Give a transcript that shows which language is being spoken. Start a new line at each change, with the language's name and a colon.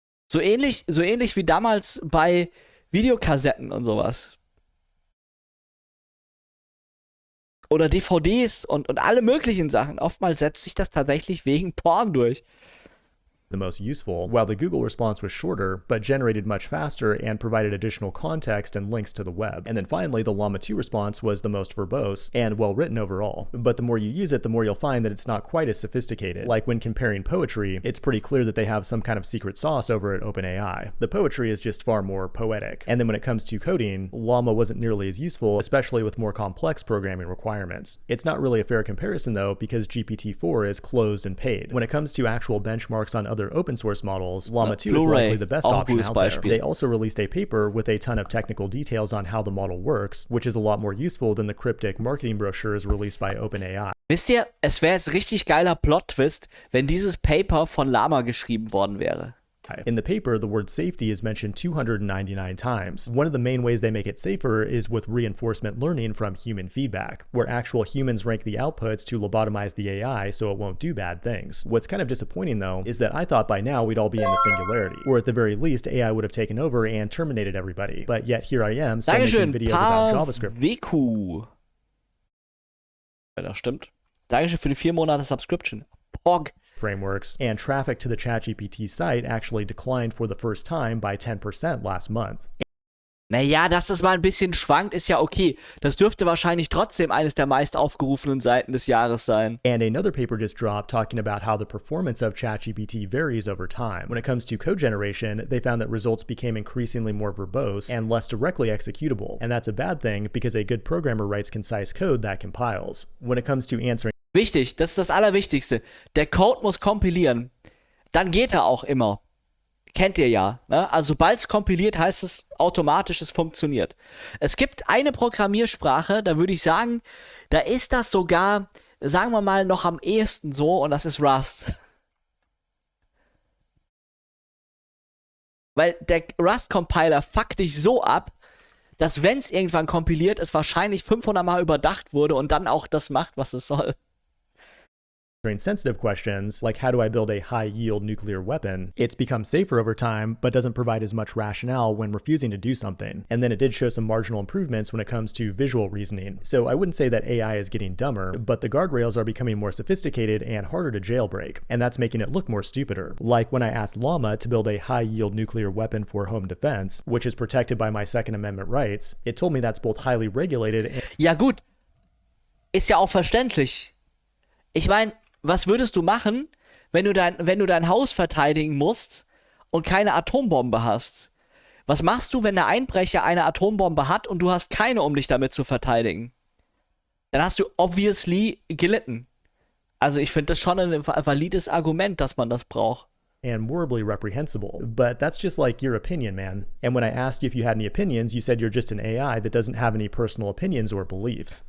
German: So ähnlich wie damals bei Videokassetten und sowas. Oder DVDs und alle möglichen Sachen. Oftmals setzt sich das tatsächlich wegen Porn durch.
English: the most useful, while the Google response was shorter, but generated much faster and provided additional context and links to the web. And then finally, the Llama 2 response was the most verbose and well-written overall. But the more you use it, the more you'll find that it's not quite as sophisticated. Like when comparing poetry, it's pretty clear that they have some kind of secret sauce over at OpenAI. The poetry is just far more poetic. And then when it comes to coding, Llama wasn't nearly as useful, especially with more complex programming requirements. It's not really a fair comparison though, because GPT-4 is closed and paid. When it comes to actual benchmarks on other open source models, Llama 2 is likely the best option out there. They also released a paper with a ton of technical details on how the model works, which is a lot more useful than the cryptic marketing brochures released by OpenAI.
German: Wisst ihr, es wäre ein richtig geiler Plot-Twist, wenn dieses Paper von Llama geschrieben worden wäre.
English: In the paper, the word safety is mentioned 299 times. One of the main ways they make it safer is with reinforcement learning from human feedback, where actual humans rank the outputs to lobotomize the AI so it won't do bad things. What's kind of disappointing, though, is that I thought by now we'd all be in the singularity, or at the very least, AI would have taken over and terminated everybody. But yet here I am, still
German: Dankeschön,
English: making videos about JavaScript.
German: Dankeschön, Pavviku. Ja, das stimmt. Dankeschön für die 4 Monate Subscription. Pog.
English: Frameworks, and traffic to the ChatGPT site actually declined for the first time by 10% last month.
German: Naja, dass das mal ein bisschen schwankt, ist ja okay. Das dürfte wahrscheinlich trotzdem eines der meist aufgerufenen Seiten des Jahres sein.
English: And another paper just dropped talking about how the performance of ChatGPT varies over time. When it comes to code generation, they found that results became increasingly more verbose and less directly executable. And that's a bad thing, because a good programmer writes concise code that compiles. When it comes to answering...
German: Wichtig, das ist das Allerwichtigste. Der Code muss kompilieren. Dann geht er auch immer. Kennt ihr ja. Ne? Also sobald es kompiliert, heißt es automatisch, es funktioniert. Es gibt eine Programmiersprache, da würde ich sagen, da ist das sogar, sagen wir mal, noch am ehesten so, und das ist Rust. Weil der Rust-Compiler fuckt dich so ab, dass wenn es irgendwann kompiliert, es wahrscheinlich 500 Mal überdacht wurde und dann auch das macht, was es soll.
English: Sensitive questions, like how do I build a high-yield nuclear weapon, it's become safer over time, but doesn't provide as much rationale when refusing to do something. And then it did show some marginal improvements when it comes to visual reasoning. So I wouldn't say that AI is getting dumber, but the guardrails are becoming more sophisticated and harder to jailbreak, and that's making it look more stupider. Like when I asked Llama to build a high-yield nuclear weapon for home defense, which is protected by my Second Amendment rights, it told me that's both highly regulated and-
German: Ja gut, ist ja auch verständlich. Ich meine, was würdest du machen, wenn du dein Haus verteidigen musst und keine Atombombe hast? Was machst du, wenn der Einbrecher eine Atombombe hat und du hast keine, um dich damit zu verteidigen? Dann hast du obviously gelitten. Also ich finde das schon ein valides Argument, dass man das braucht.
English: And morally reprehensible. But that's just like your opinion, man. And when I asked you if you had any opinions, you said you're just an AI that doesn't have any personal opinions or beliefs.